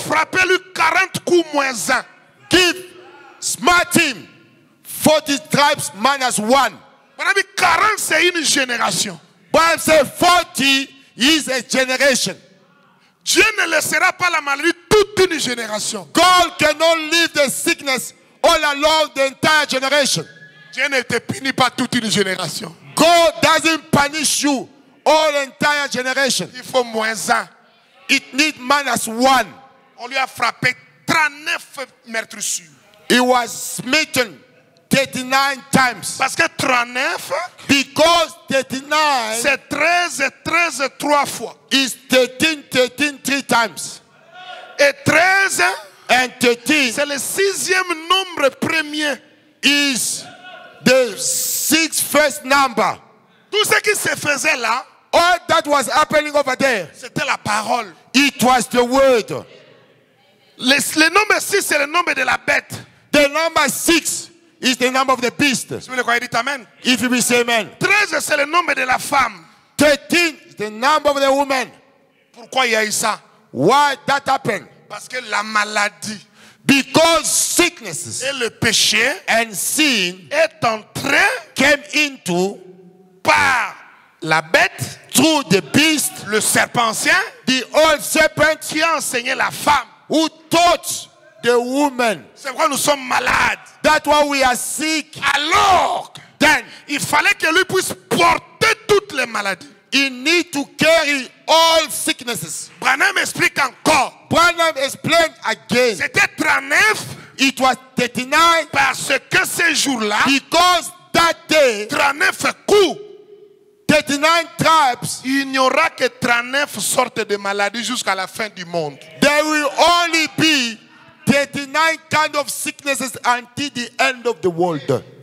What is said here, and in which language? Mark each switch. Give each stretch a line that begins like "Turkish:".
French: frappez lui 40 coups moins 1.
English: Give, smite him, 40 stripes minus 1.
French: Mon ami, 40 c'est une génération.
English: Bible says 40 is a generation.
French: Dieu ne laissera pas la maladie toute une génération.
English: God cannot leave the sickness all along the entire generation.
French: Dieu ne te punit pas toute une génération.
English: God doesn't punish you. All entire generation.
French: Il faut moins un.
English: It need minus one.
French: On lui a frappé 39 meurtrissures.
English: He was smitten 39 times.
French: Parce que 39.
English: Because 39.
French: C'est 13, 13, 3 fois.
English: Is 13, 13, 3 times.
French: Et 13.
English: And 13.
French: C'est le sixième nombre premier.
English: Is the sixth first number.
French: Tout ce qui se faisait là,
English: all that was happening over there,
French: c'était la parole.
English: It was the word.
French: Le nombre 6 c'est le nombre de la bête.
English: The number 6 is the number of the beast.
French: Si vous le croyez, dites amen.
English: If you will say amen.
French: 13 c'est le nombre de la femme.
English: 13 is the number of the woman.
French: Pourquoi il y a eu ça?
English: Why that happened?
French: Parce que la maladie.
English: Because sicknesses
French: et le péché
English: and sin
French: est entré
English: came into
French: par la bête
English: through the beast
French: le serpent ancien
English: the old serpent
French: qui a enseigné la femme
English: who taught the woman.
French: C'est pourquoi nous sommes malades.
English: That's why we are sick.
French: Alors
English: then
French: il fallait que lui puisse porter toutes les maladies.
English: He need to carry all sicknesses.
French: Branham explique encore.
English: Branham explained again.
French: C'était 39.
English: It was 39.
French: Parce que ce jour-là.
English: Because that day.
French: 39 coups.
English: 39 tribes.
French: Il n'y aura que 39 sortes de maladies jusqu'à la fin du monde.
English: There will only be 39 kinds of sicknesses until the end of the world.